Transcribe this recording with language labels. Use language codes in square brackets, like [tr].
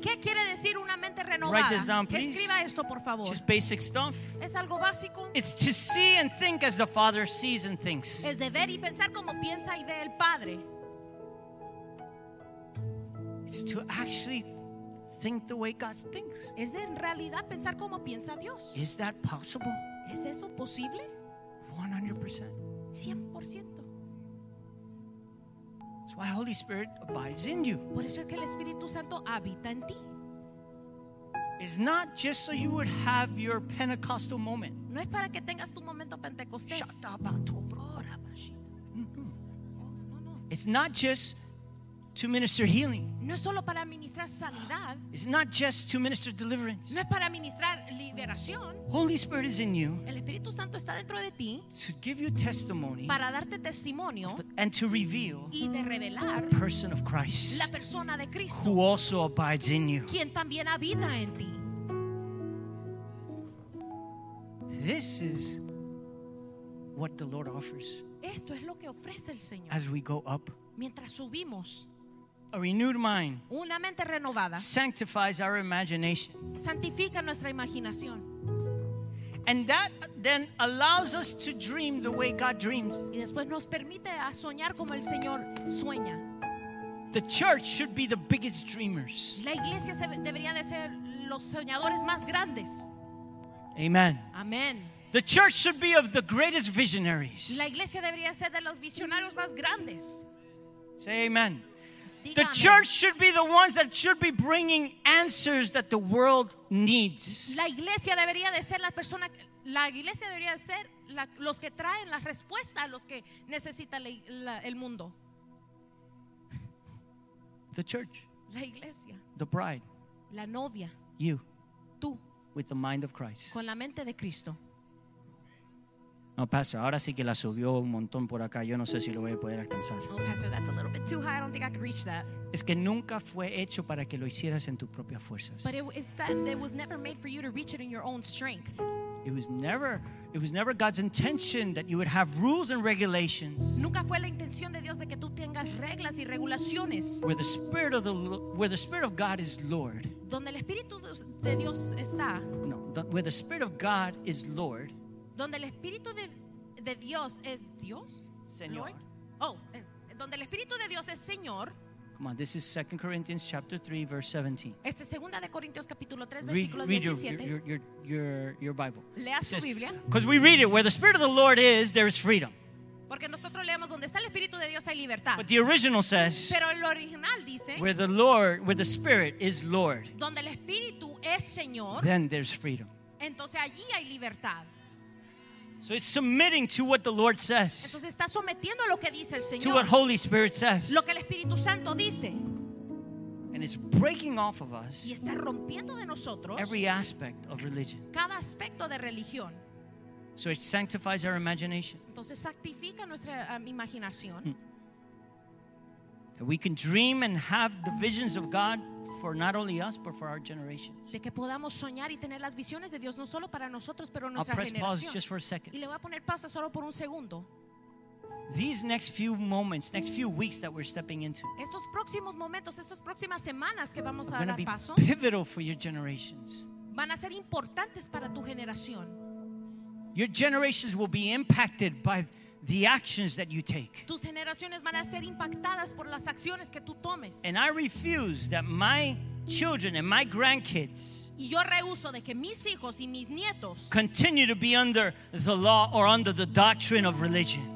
[es] ¿Qué quiere decir una mente renovada? [en] Write this down, please. [es] Escriba esto, por favor. [en] Just basic stuff. [es] Es algo básico. [en] It's to see and think as the Father sees and thinks. [es] Es de ver y pensar como piensa y ve el Padre. [en] It's to actually think the way God thinks. [es] ¿Es en realidad pensar como piensa Dios? [en] Is that possible? [es] ¿Es eso posible? [en] 100%. [es] 100%. [en] That's why the Holy Spirit abides in you. [es] Por eso es que el Espíritu Santo habita en ti. [en] It's not just so you would have your Pentecostal moment. [es] No es para que tengas tu momento pentecostés. [en] Shut up, bato, bro. [es] No. [en] It's not just to minister healing. [es] No es solo para administrar sanidad. [en] It's not just to minister deliverance. [es] No es para administrar liberación. [en] Holy Spirit is in you. [es] El Espíritu Santo está dentro de ti. [en] To give you testimony. [es] Para darte testimonio. [en] And to reveal. [es] Y de revelar. [en] The person of Christ. [es] La persona de Cristo. [en] Who also abides in you. [es] Quien también habita en ti. [en] This is what the Lord offers. [es] Esto es lo que ofrece el Señor. [en] As we go up. [es] Mientras subimos. [en] A renewed mind, [es] una mente renovada, [en] sanctifies our imagination, [es] santifica nuestra imaginación, [en] and that then allows us to dream the way God dreams. [es] Y después nos permite a soñar como el Señor sueña. [en] The church should be the biggest dreamers. [es] La iglesia debería de ser los soñadores más grandes. [en] Amen. [es] Amen. [en] The church should be of the greatest visionaries. [es] La iglesia debería ser de los visionarios más grandes. [en] Say amen. The church should be the ones that should be bringing answers that the world needs. [es] La iglesia debería de ser la persona, la iglesia debería de ser la, los que traen las respuestas a los que necesita la, la, el mundo. [en] The church. [es] La iglesia. [en] The bride. [es] La novia. [en] You. [es] Tú. [en] With the mind of Christ. [es] Con la mente de Cristo. No, pastor, ahora sí que la subió un montón por acá. Yo no sé si lo voy a poder alcanzar. [en] Oh, pastor, that's a little bit too high. I don't think I could reach that. [es] Es que nunca fue hecho para que lo hicieras en tus propias fuerzas. [en] But it was never made for you to reach it in your own strength. It was never God's intention that you would have rules and regulations. [es] Nunca fue la intención de Dios de que tú tengas reglas y regulaciones. [en] Where the Spirit of God is Lord. [es] Donde el Espíritu de Dios está. [en] No, where the Spirit of God is Lord. [es] Donde el Espíritu de Dios es Dios, Señor. Lord? Oh, donde el Espíritu de Dios es Señor. [en] Come on, this is 2 Corinthians chapter 3, verse 17. [es] Este es 2 de Corintios capítulo 3, versículo 17. [en] Read your Bible. [es] Lea su Biblia. [en] Because we read it, where the Spirit of the Lord is, there is freedom. [es] Porque nosotros leemos donde está el Espíritu de Dios hay libertad. [en] But the original says, [es] pero el original dice, [en] where the Spirit is Lord, [es] donde el Espíritu es Señor, [en] then there's freedom. [es] Entonces allí hay libertad. [en] So it's submitting to what the Lord says. [es] Entonces está sometiendo a lo que dice el Señor. [en] To what Holy Spirit says. [es] Lo que el Espíritu Santo dice. [en] And it's breaking off of us. [es] Y está rompiendo de nosotros. [en] Every aspect of religion. [es] Cada aspecto de religión. [en] So it sanctifies our imagination. [es] Entonces sanctifica nuestra imaginación. [en] That we can dream and have the visions of God for not only us but for our generations. [es] De que podamos soñar y tener las visiones de Dios no solo para nosotros pero nuestra generación. [en] I'll press pause just for a second. [es] Y le voy a poner pausa solo por un segundo. [en] These next few moments, next few weeks that we're stepping into. [es] Estos próximos momentos, estas próximas semanas que vamos a dar paso. [en] Pivotal for your generations. [es] Van a ser importantes para tu generación. [en] Your generations will be impacted by the actions that you take. [es] Tus generaciones van a ser impactadas por las acciones que tú tomes. [en] And I refuse that my children and my grandkids. [es] Y yo rehúso de que mis hijos y mis nietos [en] continue to be under the law or under the doctrine of religion.